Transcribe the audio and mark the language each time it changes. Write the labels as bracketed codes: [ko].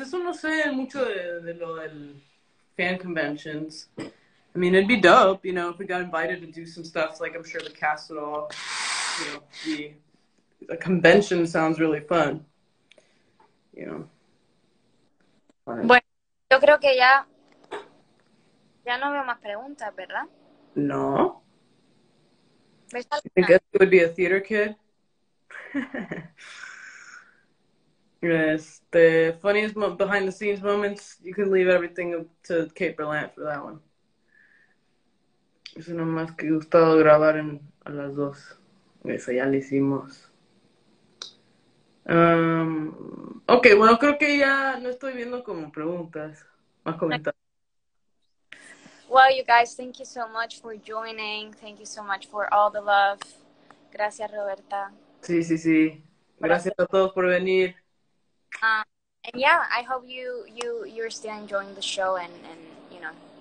[es] Eso no sé mucho de lo del fan conventions. [en] I mean, it'd be dope, you know, if we got invited to do some stuff, like, I'm sure the cast would all, you know, the convention sounds really fun, you know. [es] Bueno, yo creo que ya no veo más preguntas, ¿verdad? No. [en] I guess it would be a theater kid. Yes, the funniest behind the scenes moments. You can leave everything to Kate Berlant for that one. [es] Es una más que gustado grabar en a las dos. Eso ya lo hicimos. Okay, bueno, creo que ya no estoy viendo como preguntas, más comentarios. [en] Well, you guys, thank you so much for joining. Thank you so much for all the love. [es] Gracias, Roberta. Sí, sí, sí. Gracias a todos por venir. [en] And yeah, I hope you're still enjoying the show and you know.